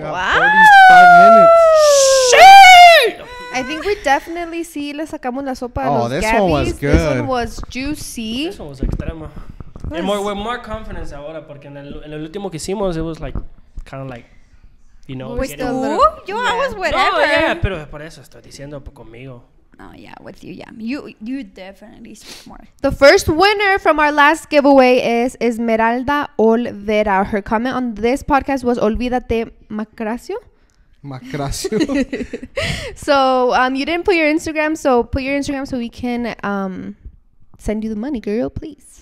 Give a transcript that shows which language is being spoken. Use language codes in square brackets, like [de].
[en] Wow. 45 minutes. Shit! I think we definitely see [es] le sacamos la sopa a los Gabbies. [en] Oh, this one was good. This one was juicy. This one was extremo. And more, with more confidence [es] ahora, porque en el último que hicimos, [en] it was like, kind of like, you know. With the little, yo, yeah. I was whatever. [es] No, yeah, pero por eso estoy diciendo conmigo. [en] Oh, yeah, with you, yeah. You definitely speak more. The first winner from our last giveaway is Esmeralda Olvera. Her comment on this podcast was, [es] olvídate, [en] Macracio. Macracio. So, you didn't put your Instagram, so put your Instagram so we can send you the money, girl, please.